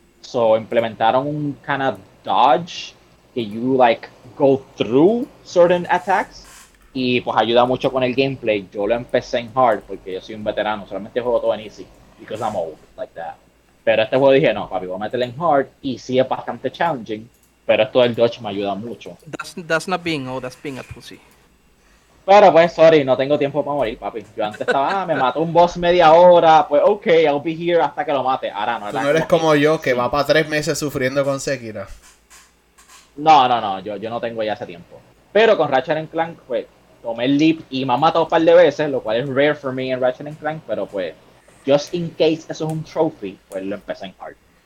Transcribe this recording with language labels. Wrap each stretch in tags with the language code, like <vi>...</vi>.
<en>So, implementaron un kind of dodge, que you, like, go through certain attacks.</en> <es>Y, pues, ayuda mucho con el gameplay. Yo lo empecé en hard, porque yo soy un veterano, solamente juego todo en easy, because I'm old, like that. Pero este juego dije, no, papi, voy a meterle en hard, y sí es bastante challenging. Pero esto del Dodge me ayuda mucho.</es> <en>That's not being old, that's being a pussy.</en> <es>Pero pues, sorry, no tengo tiempo para morir, papi. Yo antes estaba, me mató un boss media hora, pues ok, I'll be here hasta que lo mate. Ahora no. Tú no eres como yo, que va para 3 meses sufriendo con Sekiro. No, yo no tengo ya ese tiempo. Pero con Ratchet & Clank, pues, tomé el leap y me han matado un par de veces, lo cual es rare for me en Ratchet & Clank, pero pues, just in case eso es un trophy, pues lo empecé en hard.</es>